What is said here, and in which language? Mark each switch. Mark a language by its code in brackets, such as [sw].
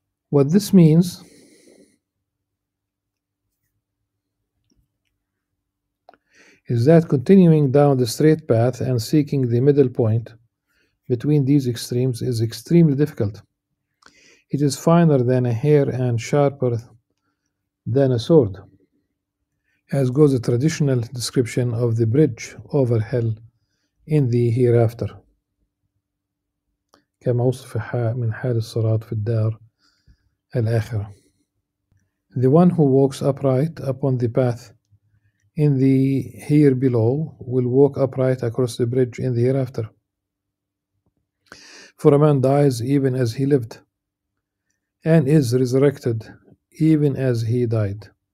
[en] What this means is that continuing down the straight path and seeking the middle point between these extremes is extremely difficult. It is finer than a hair and sharper than a sword, as goes the traditional description of the bridge over hell in the hereafter. [ar] كما وصف من حال الصراط في الدار الآخرة. [en] The one who walks upright upon the path in the here below will walk upright across the bridge in the hereafter. For a man dies even as he lived, and is resurrected even as he died.